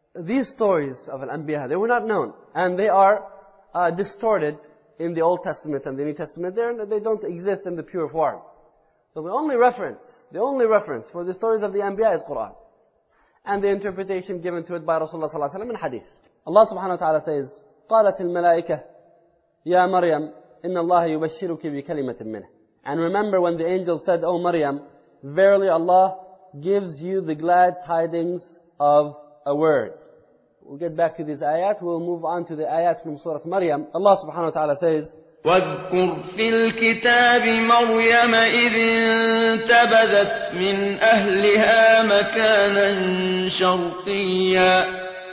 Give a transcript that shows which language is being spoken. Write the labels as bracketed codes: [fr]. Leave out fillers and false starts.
[en] These stories of Al-Anbiya, they were not known. And they are distorted in the Old Testament and the New Testament. They don't exist in the pure form. So the only reference for the stories of the Anbiya is Quran. And the interpretation given to it by Rasulullah in Hadith. Allah subhanahu wa ta'ala says, [ar] قَالَتِ الْمَلَائِكَةِ يَا مَرْيَمْ إِنَّ اللَّهَ يُبَشِّرُكِ بِكَلِمَةٍ مِّنْهِ. [en] And remember when the angel said, "O Maryam, verily Allah gives you the glad tidings of a word." We'll get back to these ayat. We'll move on to the ayat from Surah Maryam. Allah subhanahu wa ta'ala says, [ar] وَاذْكُرْ فِي الْكِتَابِ مَرْيَمَ إِذِ انْتَبَذَتْ مِنْ أَهْلِهَا مَكَانًا شَرْقِيًّا.